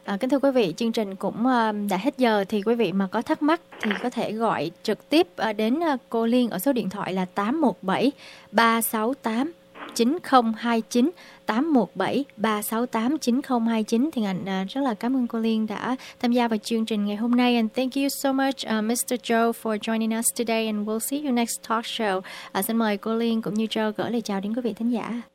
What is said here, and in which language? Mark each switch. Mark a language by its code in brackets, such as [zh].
[vi] Kính thưa quý vị, chương trình cũng đã hết giờ, thì quý vị mà có thắc mắc thì có thể gọi trực tiếp đến cô Liên ở số điện thoại là 817-368-9029, 817-368-9029. Thì anh rất là cảm ơn cô Liên đã tham gia vào chương trình ngày hôm nay. [en] And thank you so much Mr. Joe for joining us today, and we'll see you next talk show. [vi] Xin mời cô Liên cũng như Joe gửi lời chào đến quý vị thính giả.